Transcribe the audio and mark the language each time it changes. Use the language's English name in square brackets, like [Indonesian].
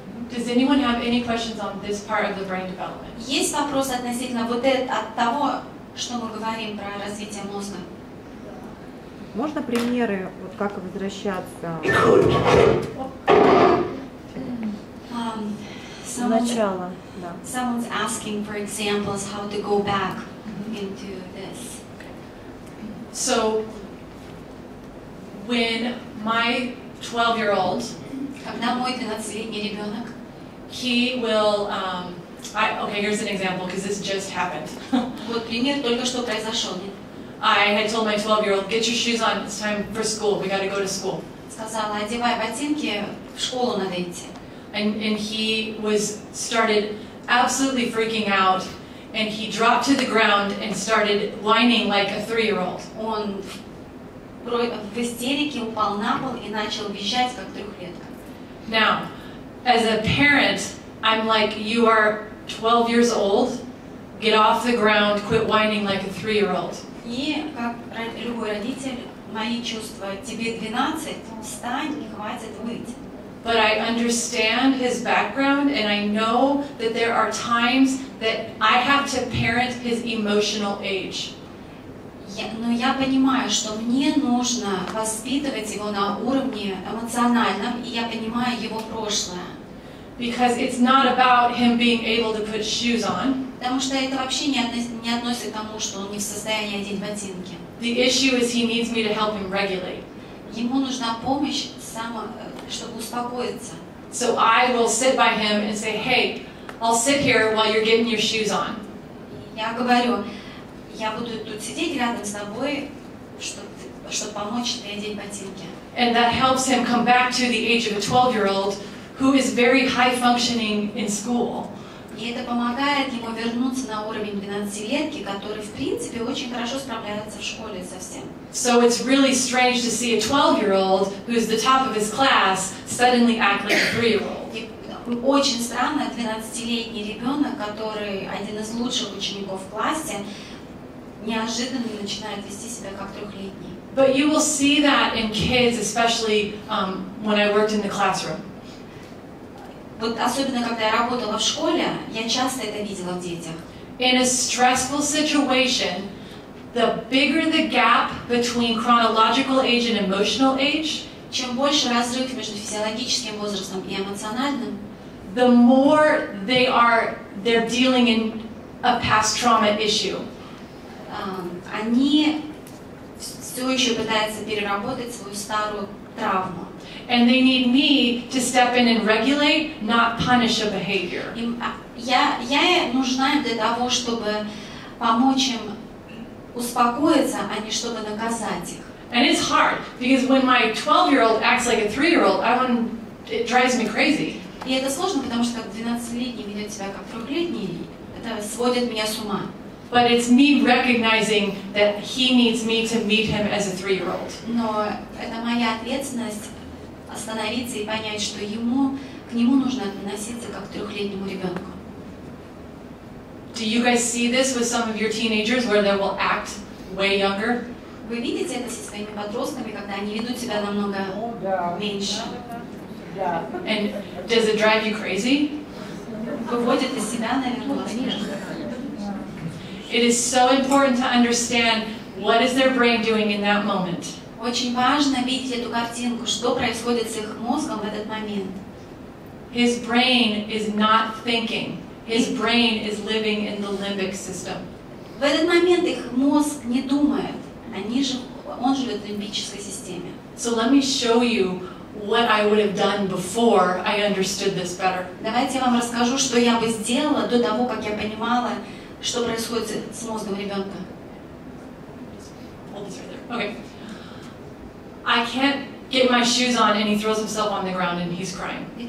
[English] Does anyone have any questions on this part of the brain development? [Russian] Есть вопрос относительно вот это от того, что мы говорим про развитие мозга. Можно примеры вот как возвращаться? Сначала, да. [English] Someone's asking for examples how to go back into this. So when my 12-year-old, [Russian] когда мой 12-летний ребенок, [English] he will, okay, here's an example, because this just happened. [Russian] Вот пример только что произошел. [English] I had told my 12-year-old, get your shoes on, it's time for school, we gotta go to school. [Russian] Сказала, одевай ботинки, в школу надо идти. [English] And he was started absolutely freaking out, and he dropped to the ground and started whining like a 3-year-old. [Russian] Он в истерике упал на пол и начал визжать как трехлетка. [English] Now, as a parent, I'm like, you are 12 years old. Get off the ground. Quit whining like a 3-year-old. [Russian] И как любой родитель, мои чувства: тебе 12, встань и хватит выть. [English] But I understand his background, and I know that there are times that I have to parent his emotional age. [Russian] Но я понимаю, что мне нужно воспитывать его на уровне эмоциональном, и я понимаю его прошлое. [English] Because it's not about him being able to put shoes on. [Russian] Потому что это вообще не относится к тому, что он не в состоянии одеть ботинки. [English] The issue is he needs me to help him regulate. [Russian] Ему нужна помощь, чтобы успокоиться. [English] So I will sit by him and say, hey, I'll sit here while you're getting your shoes on. [Russian] Я говорю, я буду тут сидеть рядом с тобой, чтобы помочь тебе одеть ботинки. [English] And that helps him come back to the age of a 12-year-old who is very high functioning in school. [Russian] И это помогает ему вернуться на уровень 12-летки, который, в принципе, очень хорошо справляется в школе со всем. [English] So it's really strange to see a 12-year-old who is the top of his class suddenly act like a 3-year-old. [Russian] Очень странно 12-летний ребенок, который один из лучших учеников в классе, неожиданно начинает вести себя как трехлетний. [English] But you will see that in kids, especially when I worked in the classroom. [Russian] Вот особенно когда я работала в школе, я часто это видела в детях. [English] In a stressful situation, the bigger the gap between chronological age and emotional age, [Russian] чем больше разрыв между физиологическим возрастом и эмоциональным, [English] the more they're dealing in a past trauma issue. [Russian] Они все еще пытаются переработать свою старую травму. [English] And they need me to step in and regulate, not punish a behavior. [Russian] Я нужна для того, чтобы помочь им успокоиться, а не чтобы наказать их. [English] And it's hard, because when my 12-year-old acts like a 3-year-old, it drives me crazy. [Russian] И это сложно, потому что 12-летний ведет себя как трехлетний, это сводит меня с ума. [English] But it's me recognizing that he needs me to meet him as a 3-year-old. [Russian] Но это моя ответственность остановиться и понять, что ему к нему нужно относиться как к трехлетнему ребенку. [English] Do you guys see this with some of your teenagers where they will act way younger? [Russian] Вы видите это со своими подростками, когда они ведут себя намного меньше? [English] And does it drive you crazy? [Russian] Выводит из себя, наверное, [English] It is so important to understand what is their brain doing in that moment. [Russian] Очень важно видеть эту картинку, что происходит с их мозгом в этот момент. [English] His brain is not thinking. His brain is living in the limbic system. [Russian] В этот момент их мозг не думает. Он живет в лимбической системе. [English] So let me show you what I would have done before I understood this better. [Russian] Давайте я вам расскажу, что я бы сделала до того, как я понимала, что происходит с мозгом ребенка. [English] I can't get my shoes on, and he throws himself on the ground, and he's crying.